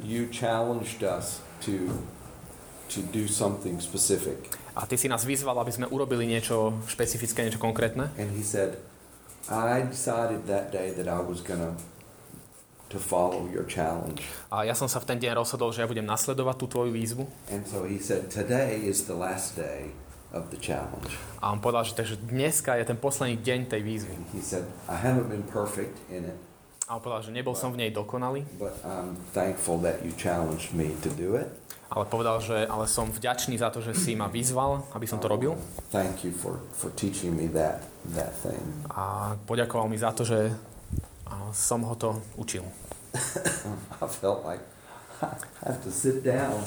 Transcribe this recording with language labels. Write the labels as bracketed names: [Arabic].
[English] You challenged us to do something specific. [Slovak] A ty si nás vyzval, aby sme urobili niečo špecifické, niečo konkrétne. [English] And he said, "I decided that day that I was gonna to follow your challenge." [Slovak] A ja som sa v ten deň rozhodol, že ja budem nasledovať tú tvoju výzvu. [English] And so he said, "Today is the last day of the challenge." [Slovak] A on povedal, že takže dneska je ten posledný deň tej výzvy. [English] And he said, "I haven't been perfect in it." [Slovak] A on povedal, že nebol som v nej dokonalý. [English] But I'm thankful that you challenged me to do it. [Slovak] Ale povedal, že ale som vďačný za to, že si ma vyzval, aby som to robil. [English] Thank you for teaching me that thing. [Slovak] A poďakoval mi za to, že som ho to učil. [English] I felt like I have to sit down.